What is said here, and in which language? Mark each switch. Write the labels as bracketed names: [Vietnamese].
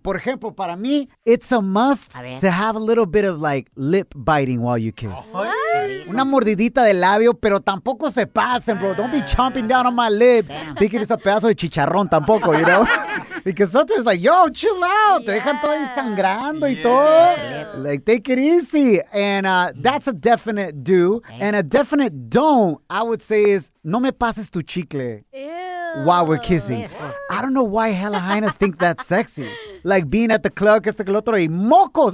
[Spanish] Por ejemplo, para mí, [English] it's a must to have a little bit of like lip biting while you kiss. What? [Spanish] Una mordidita de labio, pero tampoco se pasen, bro. [English] Don't be chomping down on my lip. Damn. Thinking it's a [Spanish] pedazo de chicharrón tampoco, [English] you know? Because sometimes it's like, yo, chill out. Yeah. [Spanish] Te dejan todo ahí sangrando y todo. [English] Like, take it easy. And that's a definite do. Okay. And a definite don't, I would say, is [Spanish] no me pases tu chicle. [English] Ew. While we're kissing. Yeah. I don't know why hella hyenas think that's sexy. Like being at the club, [Spanish] que este que el otro, y mocos.